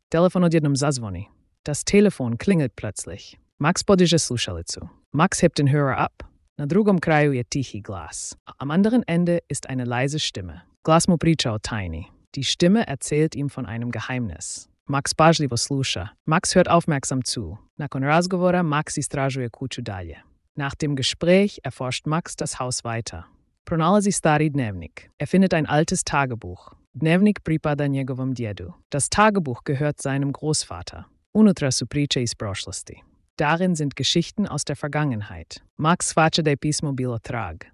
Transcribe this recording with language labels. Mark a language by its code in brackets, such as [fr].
[hr] Telefon odjednom zazvoni. [de] Das Telefon klingelt plötzlich. [hr] Max podiže slušalicu. [de] Max hebt den Hörer ab. [hr] Na drugom kraju je tihi glas. [de] Am anderen Ende ist eine leise Stimme. [hr] Glas mu priča o tajni. [de] Die Stimme erzählt ihm von einem Geheimnis. [hr] Max pažljivo sluša. [de] Max hört aufmerksam zu. [hr] Nakon razgovora Max istražuje kuću dalje. [de] Nach dem Gespräch erforscht Max das Haus weiter. [hr] Pronalazi stari dnevnik. [de] Er findet ein altes Tagebuch. [hr] Dnevnik pripada njegovom djedu. [de] Das Tagebuch gehört seinem Großvater. [hr] Unutra su priče iz prošlosti. [de] Darin sind Geschichten aus der Vergangenheit. [hr] Max svača da je pismo bilo trag.